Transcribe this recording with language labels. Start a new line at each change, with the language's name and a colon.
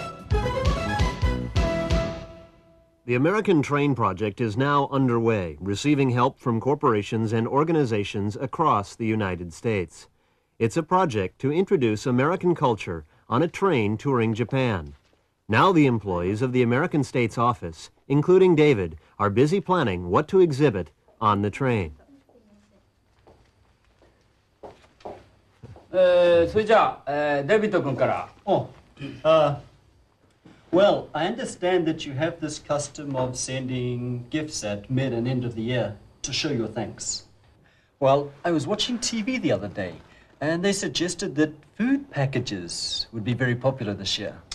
English: The American Train Project is now underway, receiving help from corporations and organizations across the United States. It's a project to introduce American culture on a train touring Japan. Now the employees of the American States office, including David, are busy planning what to exhibit on the train.
Japanese: それじゃあ、デビット君から。
English: Well, I understand that you have this custom of sending gifts at mid and end of the year to show your thanks. Well, I was watching TV the other day, and they suggested that food packages would be very popular this year.